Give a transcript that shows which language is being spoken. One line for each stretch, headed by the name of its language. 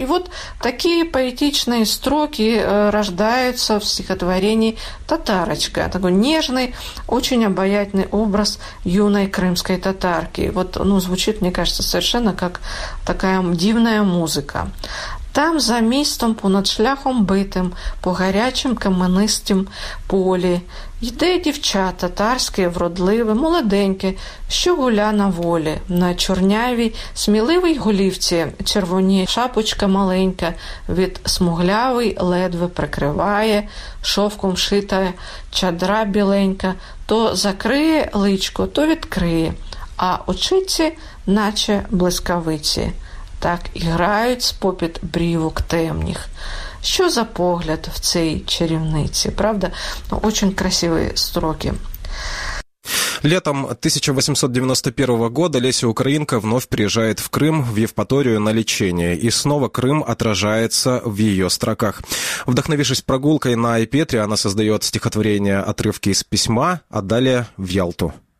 Russian: И вот такие поэтичные строки рождаются в стихотворении «Татарочка». Такой нежный, очень обаятельный образ юной крымской татарки. Вот, звучит, мне кажется, совершенно как такая дивная музыка.
Ukrainian: «Там за містом, понад шляхом битим, по гарячим каменистим полі, йде дівча татарське, вродливе, молоденьке, що гуля на волі, на чорнявій, сміливій голівці, червоні, шапочка маленька, від смуглявий ледве прикриває, шовком шита чадра біленька, то закриє личко, то відкриє, а очиці наче блискавиці». Так і грають з-попід брівок темніх. Що за погляд в цій чарівниці?
Russian: Правда? Очень красиві строки. Летом 1891 года Леся Украинка вновь приезжает в Крым, в Евпаторию, на лечение. И снова Крым отражается в ее строках. Вдохновившись прогулкой на Айпетре, она создает стихотворение «Отрывки из письма», а далее в Ялту.